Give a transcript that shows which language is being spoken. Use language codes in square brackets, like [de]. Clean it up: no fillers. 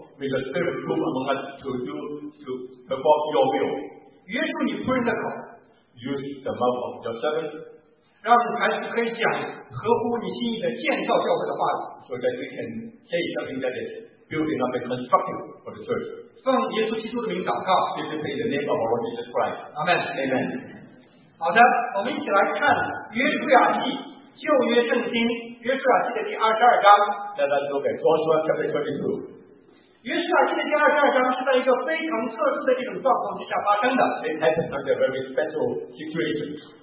[en] May your spirit move among us to do to perform your will. [zh] 约束你仆人的口。 [en] Use the mouth of your servant, [zh] 让孩子可以讲合乎你心意的建造教会的话语, [en] so that we can say something that is building up and constructive for the church. [zh] 奉耶稣基督的名祷告, [en] if you pray the name of our Lord Jesus Christ. Amen. Amen. [zh] 好的，我们一起来看约书亚记旧约圣经约书亚记的第22章. [en] Let us look at Joshua chapter 22. [zh] 约书亚记的第22章是在一个非常特殊的这种状况之下发生的。 [en] It happened under a very special situation.